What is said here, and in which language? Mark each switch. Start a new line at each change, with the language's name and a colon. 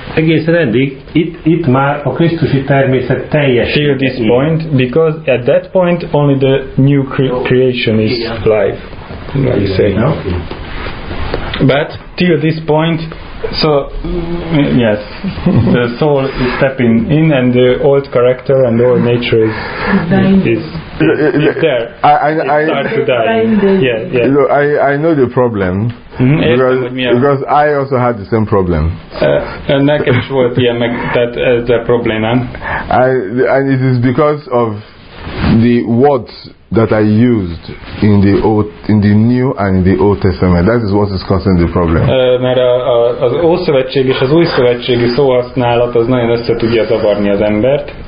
Hungarian: Egészen eddig, itt már a krisztusi természet teljesen.
English: Till this point, because at that point only the new creation is life, like you say. But till this point, so yes, the soul is stepping in, and the old character and old nature is there. I start to die. Yeah. Look, I know the problem. Because I also had the same problem.
Hungarian: Nekem is volt ilyen, meg tehát ez a problémám.
English: And it is because of the words that I used in the old, in the new, and in the Old Testament. That is what is causing the problem.
Hungarian: Mert az ószövetség és az új szövetségi szóhasználat az nagyon össze tudja zavarni az embert.